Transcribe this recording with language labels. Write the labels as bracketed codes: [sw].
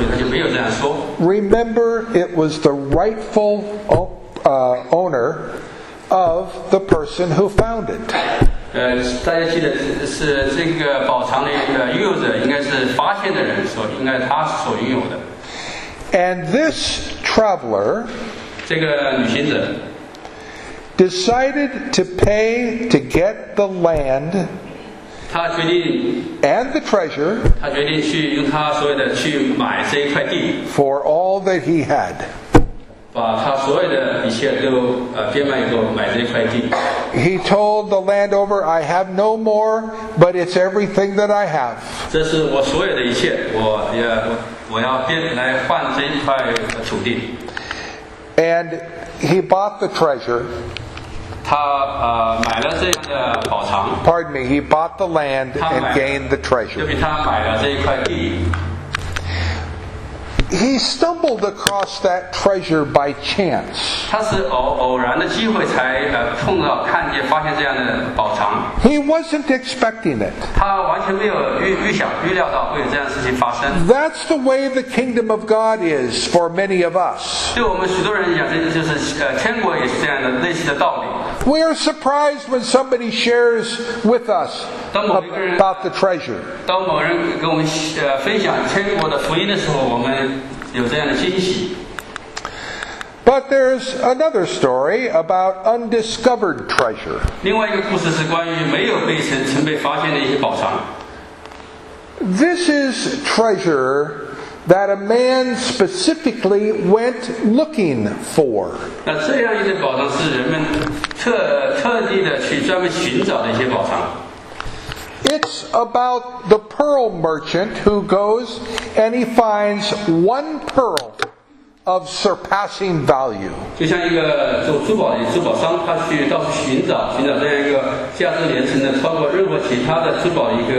[en] Remember, it was the rightful owner of the person who found it. [zh] 大家记得是这个宝藏的拥有者，应该是发现的人所应该他所拥有的。 [en] And this traveler, [zh] 这个旅行者 [en] decided to pay to get the land, [zh] 他决定 [en] and the treasure, [zh] 他决定去用他所有的去买这一块地 [en] for all that he had. [zh] 把他所有的一切都变卖以后买这块地。 [en] He told the landowner, I have no more, but it's everything that I have. [zh] 这是我所有的一切，我要变来换这一块土地。 [en] And he bought the treasure. [zh] 他买了这样的宝藏。 [en] Pardon me, he bought the land and gained the treasure. [zh] 就比他买了这一块地。 [en] He stumbled across that treasure by chance. [zh] 他是偶然的机会才碰到看见发现这样的宝藏。 [en] He wasn't expecting it. [zh] 他完全没有预料到会有这样的事情发生。 [en] That's the way the kingdom of God is for many of us. [zh] 对我们许多人来讲，这就是天国也是这样的类似的道理。 [en] We are surprised when somebody shares with us about the treasure. [zh] 当某人跟我们分享天国的福音的时候，我们有这样的惊喜。 [en] But there's another story about undiscovered treasure. [zh] 另外一个故事是关于没有被曾被发现的一些宝藏。 [en] This is treasure. That a man specifically went looking for. [zh] 那这样一些宝藏是人们特地的去专门寻找的一些宝藏。 [en] It's about the pearl merchant who goes and he finds one pearl of surpassing value. [zh] 就像一个做珠宝商，他去到处寻找这样一个价值连城的超过任何其他的珠宝。